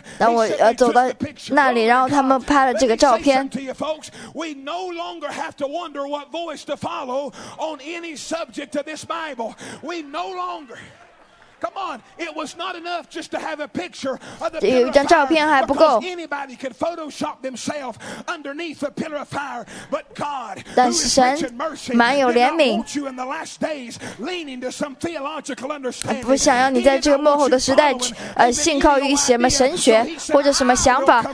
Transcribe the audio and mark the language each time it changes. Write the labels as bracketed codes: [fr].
[zh] 我坐在那里，然后他们拍了这个照片。 [en] We no longer have to wonder what voice to follow on any subject of this Bible. We no longer. Come on, it was not enough just to have a picture of the pillar of fire. [zh] 照片还不够。 [en] Because anybody could Photoshop themselves underneath a pillar of fire, but God, who is rich in mercy, did not want you in the last days leaning to some theological understanding. [zh] 不想要你在这个幕后的时代信靠于什么神学或者什么想法。